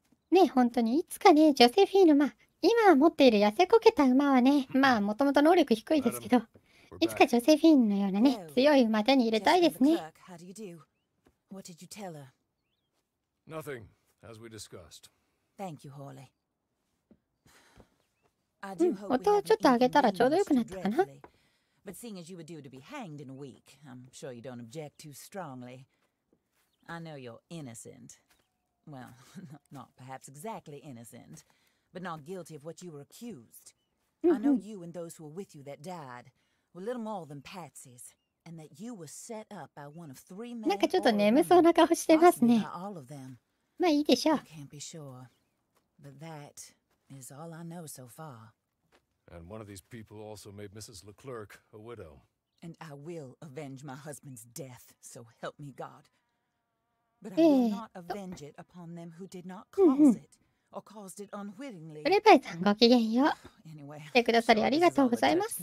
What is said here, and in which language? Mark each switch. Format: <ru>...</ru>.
<ja>ね、本当にいつかね、ジョセフィーヌ、まあ今持っている痩せこけた馬はね、まあもともと能力低いですけど、いつかジョセフィーヌのようなね、強い馬手に入れたいですね。</ja> <en>What did you tell her? Nothing, as we discussed. Thank you, Hawley.</en> <ja>うん、音をちょっと上げたらちょうどよくなったかな。</ja> <en>But seeing as you were due to be hanged in a week, I'm sure you don't object too strongly. I know you're innocent. Well, not perhaps exactly innocent, but not guilty of what you were accused. I know you and those who were with you that died were little more than patsies, and that you were set up by one of three men.</en> <ja>なんかちょっと眠そうな顔してますね。まあいいでしょう。</ja> <en>Can't be sure, but that. Is all I know so far. And one of these people also made Mrs. Leclerc a widow. And I will avenge my husband's death, so help me God. But I will not avenge it upon them who did not cause it, or caused it unwittingly.</en> <ja>フレパイさん、ごきげんよう。Anyway, 来てくださりありがとうございます。</ja>